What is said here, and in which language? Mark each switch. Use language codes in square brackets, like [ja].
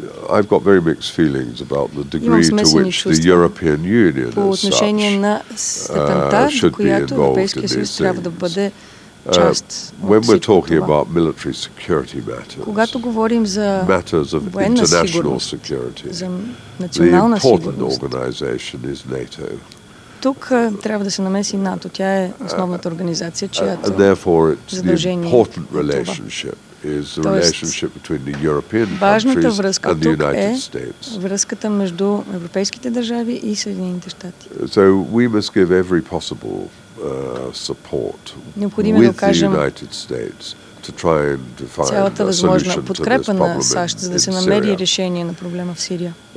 [en] I've got very mixed feelings about the degree to which the European Union is such should be involved in these things. When we're talking about military security matters of international security, the important organization is NATO. [bg] Тук трябва да се намеси НАТО. Тя е основната организация, чиято [en] therefore it's the important relationship is the relationship between the European countries and the United States. [bg] Връзката между европейските държави и Съединените щати. [en] So we must give every possible support with the United States to try and to find a solution to this problem in Syria.